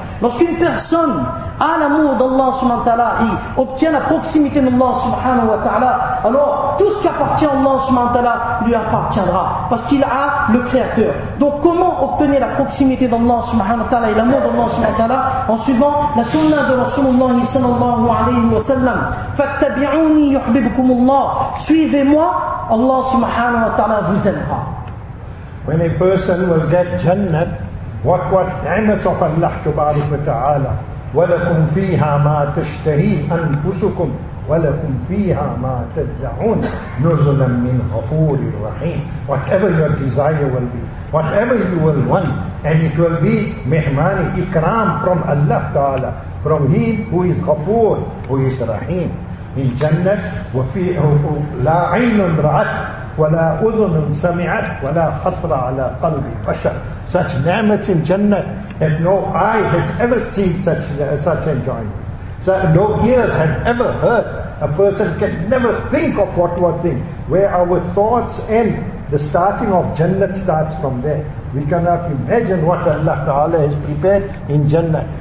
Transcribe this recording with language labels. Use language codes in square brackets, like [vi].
[fr] Lorsqu'une personne a l'amour d'Allah subhanahu wa ta'ala, il obtient la proximité d'Allah subhanahu wa ta'ala, alors tout ce qui appartient à Allah subhanahu wa ta'ala lui appartiendra, parce qu'il a le Créateur. Donc comment obtenir la proximité d'Allah subhanahu wa ta'ala et l'amour d'Allah subhanahu wa ta'ala? En suivant la sunna de Rasulullah sallallahu alayhi wa sallam. [ar] Fattabi'uni yuhbibkum Allah. [fr] Suivez-moi, Allah subhanahu wa ta'ala vous aimera. [en] When a person will get Jannah, what ni'mat of Allah tabarak wa ta'ala, [ar] وَلَكُمْ فِيهَا مَا تَشْتَهِي أَنفُسُكُمْ وَلَكُمْ فِيهَا مَا تَدَّعُونَ نُزُلًا مِّنْ غَفُورِ الرَّحِيمِ. [en] Whatever your desire will be, whatever you will want, and it will be mihmani, ikram from Allah Ta'ala, from Him who is غَفُور, who is Rahim. In Jannah, [ar] وَفِيهُ لَا عِينٌ رَعَتْ وَلَا أُذُنٌ سَمِعَتْ وَلَا خَطْرَ عَلَى قَلْبِ بَشَرٍ. [en] Such ni'mat in Jannah, that no eye has ever seen such enjoyments. So no ears have ever heard. A person can never think of what we think. Where our thoughts end, the starting of Jannah starts from there. We cannot imagine what Allah Ta'ala has prepared in Jannah.